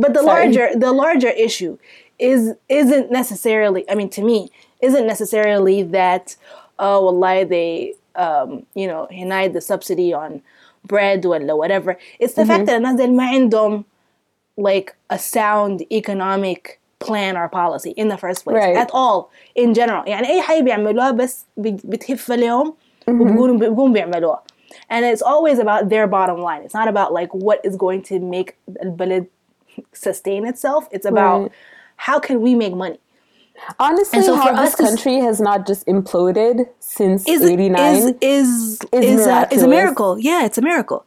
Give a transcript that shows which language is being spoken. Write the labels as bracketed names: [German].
[English] But the larger issue isn't necessarily, I mean, to me, isn't necessarily that they you know, denied the subsidy on bread or whatever. It's the fact that [Arabic] الناس ما عندهم [English] like a sound economic plan or policy in the first place at all, in general. [Arabic] يعني أي حاجة بيعملوها بس بتهف عليهم وبقوم بيعملوها. [English] And it's always about their bottom line. It's not about like what is going to make البلد sustain itself. It's about how can we make money. Honestly, so how this country has not just imploded since 89 is a miracle. Yeah, it's a miracle.